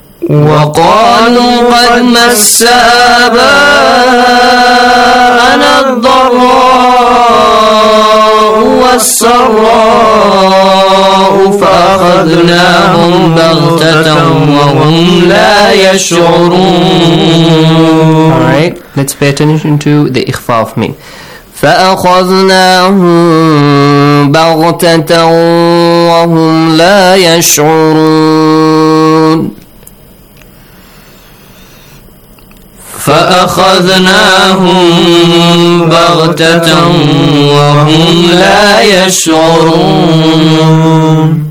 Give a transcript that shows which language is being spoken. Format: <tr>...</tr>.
<ar>وقالوا قد مس آباءنا الضراء والسراء فأخذناهم بغتة وهم لا يشعرون</ar> <en>Alright, let's pay attention to the إخفاء of me.</en> <ar>فأخذناهم بغتة وهم لا يشعرون فأخذناهم بغتة وهم لا يشعرون.</ar>